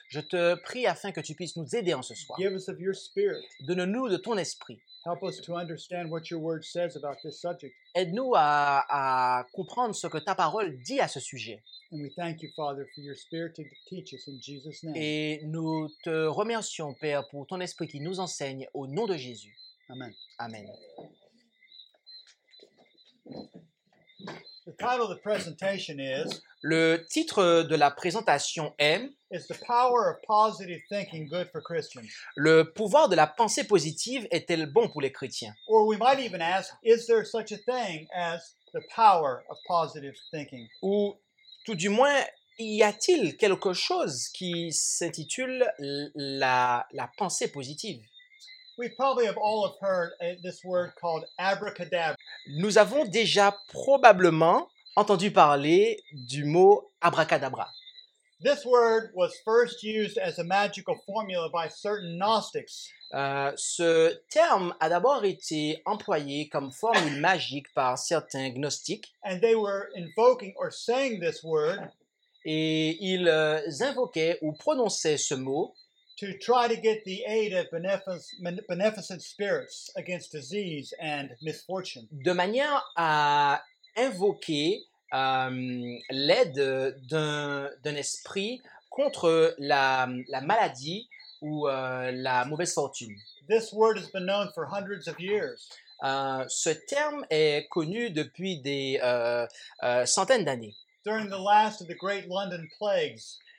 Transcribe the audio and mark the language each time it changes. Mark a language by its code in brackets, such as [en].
[fr] Je te prie afin que tu puisses nous aider en ce soir. [en] Give us of your spirit. [fr] Donne-nous de ton esprit. [en] Help us to understand what your word says about this subject. [fr] Aide-nous à comprendre ce que ta parole dit à ce sujet. [en] And we thank you, Father, for your spirit to teach us in Jesus' name. [fr] Et nous te remercions, Père, pour ton esprit qui nous enseigne au nom de Jésus. Amen. Amen. [en] The title of the presentation is. [fr] Le titre de la présentation est [en] the power of positive thinking good for Christians? [fr] Le pouvoir de la pensée positive est-elle bon pour les chrétiens? [en] Or we might even ask, is there such a thing as the power of positive thinking? [fr] Ou tout du moins, y a-t-il quelque chose qui s'intitule la pensée positive? [en] We probably have all heard this word called abracadabra. [fr] Nous avons déjà probablement entendu parler du mot abracadabra. [en] This word was first used as a magical formula by certain Gnostics. [fr] Ce terme a d'abord été employé comme formule magique par certains gnostiques. [en] And they were invoking or saying this word. [fr] Et ils invoquaient ou prononçaient ce mot. [en] To try to get the aid of beneficent spirits against disease and misfortune. [fr] De manière à invoquer l'aide d'un esprit contre la maladie ou la mauvaise fortune. [en] This word has been known for hundreds of years. [fr] Ce terme est connu depuis des centaines d'années. [en] During the last of the great London plagues.